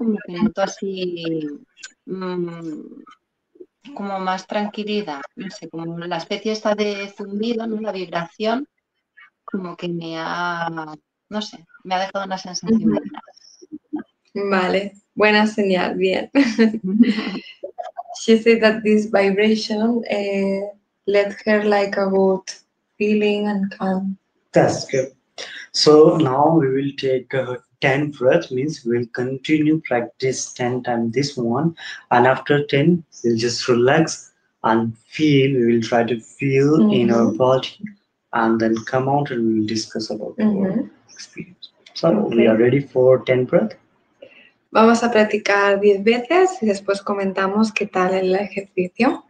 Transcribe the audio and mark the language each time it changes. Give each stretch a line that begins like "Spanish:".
Spanish: Como que noto así, como más tranquilidad, no sé, como la especie está de zumbido, ¿no? La vibración, como que me ha, no sé, me ha dejado una sensación. Vale, buena señal, bien.
English: She said that this vibration let her like a good feeling and calm. That's good. So now we will take 10 breaths, means we'll continue practice 10 times this one, and after 10 we'll just relax and feel, we will try to feel mm-hmm. in our body, and then come out and we'll discuss about mm-hmm. our experience. So okay. We are ready for 10 breaths.
Spanish: Vamos a practicar 10 veces y después comentamos qué tal el ejercicio.